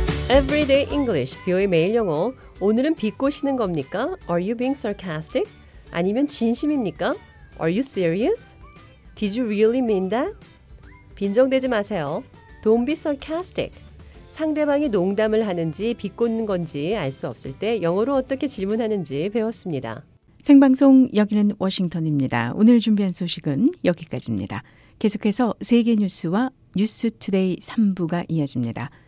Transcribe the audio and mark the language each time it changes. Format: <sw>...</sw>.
<ko>Everyday English, 비오의 매일 영어. 오늘은 비꼬시는 겁니까?</ko> <en>Are you being sarcastic?</en> <ko>아니면 진심입니까?</ko> <en>Are you serious? Did you really mean that?</en> <ko>빈정대지 마세요.</ko> <en>Don't be sarcastic.</en> <ko>상대방이 농담을 하는지 비꼬는 건지 알 수 없을 때 영어로 어떻게 질문하는지 배웠습니다. 생방송 여기는 워싱턴입니다. 오늘 준비한 소식은 여기까지입니다. 계속해서 세계 뉴스와 뉴스 투데이 3부가 이어집니다.</ko>